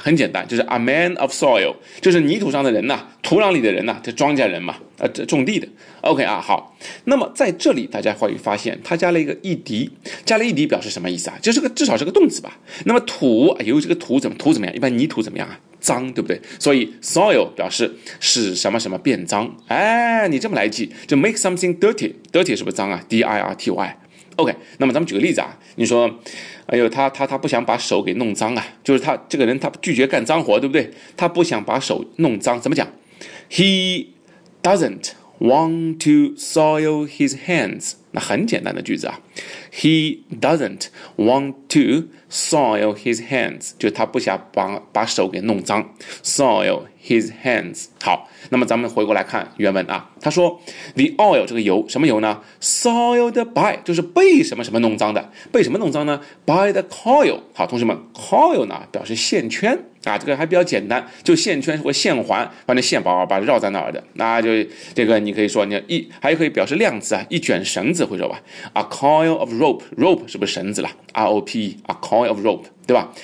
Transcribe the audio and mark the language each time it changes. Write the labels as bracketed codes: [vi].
[zh] 很简单，就是 [en] a man of soil， [zh] 就是泥土上的人呐、啊，土壤里的人呐、啊，这庄稼人嘛，种地的。 OK 啊，好。那么在这里大家会发现，他加了一个 ed， 加了 ed 表示什么意思啊？就是个至少是个动词吧。那么土，由于这个土怎么土怎么样？一般泥土怎么样啊？脏，对不对？所以 soil 表示使什么什么变脏。哎，你这么来记，就 [en] make something dirty， [zh] dirty 是不是脏啊 ？D I R T Y。 OK， 那么咱们举个例子啊，你说，哎呦，他不想把手给弄脏啊，就是他这个人他拒绝干脏活，对不对？他不想把手弄脏，怎么讲 ？ [en] He doesn't want to soil his hands。 [zh] 那很简单的句子啊 ， [en] He doesn't want to soil his hands， [zh] 就是他不想把手给弄脏 ， [en] soil his hands。 [zh] 好，那么咱们回过来看原文啊，他说 ， [en] the oil [zh] 这个油什么油呢 ？ [en] soiled by [zh] 就是被什么什么弄脏的，被什么弄脏呢 ？ [en] by the coil。 [zh] 好，同学们 ，coil 呢表示线圈啊，这个还比较简单，就线圈或线环，把那线把把绕在那儿的，那就这个你可以说你一，还可以表示量词啊，一卷绳子会说吧 ， [en] a coil of rope， [zh] rope 是不是绳子了 ？R O P， a coil of rope。对吧？